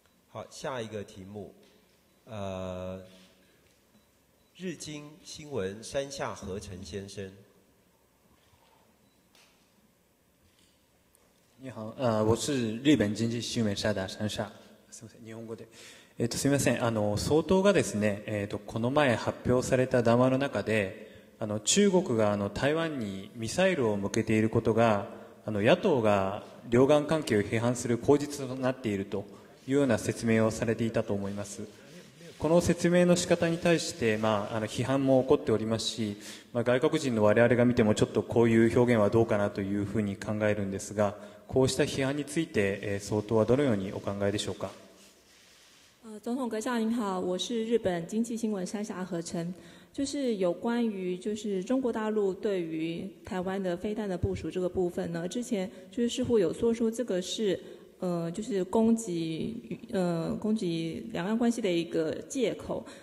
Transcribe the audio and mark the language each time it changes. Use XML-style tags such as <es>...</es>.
<zh>好，下一个题目，日经新闻山下和成先生。你好，我是日本经济新闻社的山下。</zh> <ja>すみません、日本語で。すみません、総統がですね、この前発表された談話の中で、中国が台湾にミサイルを向けていることが、野党が両岸関係を批判する口実となっているというような説明をされていたと思います。この説明の仕方に対して、批判も起こっておりますし、外国人の我々が見てもちょっとこういう表現はどうかなというふうに考えるんですが、こうした批判について、総統はどのようにお考えでしょうか。</ja> <zh>总统阁下您好，我是日本经济新闻山下和成。就是有关于就是中国大陆对于台湾的飞弹的部署这个部分呢，之前就是似乎有说出这个是就是攻击两岸关系的一个借口。</zh>